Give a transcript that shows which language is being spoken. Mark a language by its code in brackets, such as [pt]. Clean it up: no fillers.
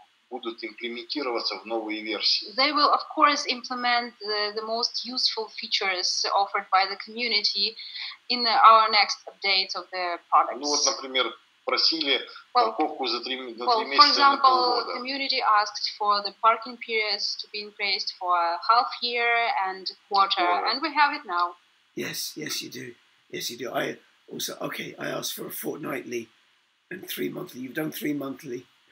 [ru] будут имплементироваться в новые версии. [en] They will, of course, implement the most useful features offered by the community in our next updates of the products. [ru] Ну вот, например, просили парковку за три месяца. [en] Well, for example, the community asked for the parking periods to be increased for a half year and a quarter, and we have it now. Yes, you do. I asked for a fortnightly and three monthly. You've done three monthly.